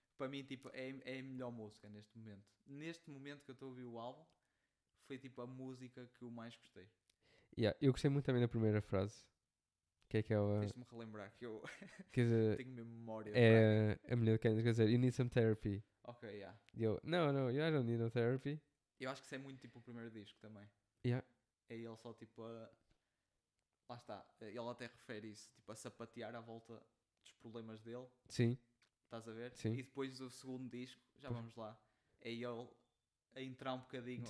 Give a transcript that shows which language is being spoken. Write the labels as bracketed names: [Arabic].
[Portuguese] Para mim, tipo, é a melhor música neste momento. Neste momento que eu estou a ouvir o álbum, foi tipo a música que eu mais gostei. Eu gostei muito também da primeira frase. Que é aquela. Tens de me relembrar que eu Quer tenho memória fraca. dizer, é a mulher que quer dizer, [English] you need some therapy. Ok, yeah. [Portuguese] E eu, [English] no, you don't need no therapy. [Portuguese] Eu acho que isso é muito tipo o primeiro disco também. É ele só tipo a. Lá está. Ele até refere isso, tipo a sapatear à volta dos problemas dele. Estás a ver? E depois o segundo disco, já vamos lá. É ele a entrar um bocadinho,